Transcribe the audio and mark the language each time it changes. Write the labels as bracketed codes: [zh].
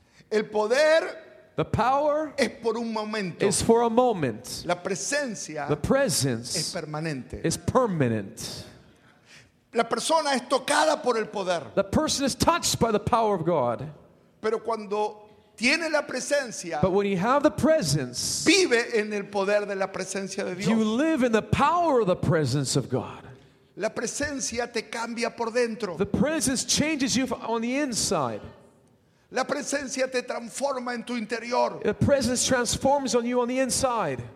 [es] El poder, [en] the power, [es] es por un momento. [en] Is for a moment. [es] La presencia, [en] the presence, [es] es permanente. [en] Is permanent. [es] La persona es tocada por el poder. [en] The person is touched by the power of God. [es] Pero cuando tiene la presencia, [en] but when you have the presence, [es] vive en el poder de la presencia de Dios. [en] You live in the power of the presence of God. [es] La presencia te cambia por dentro. [en] The presence changes you on the inside. [es] La presencia te transforma en tu interior. [en] The presence transforms on you on the inside.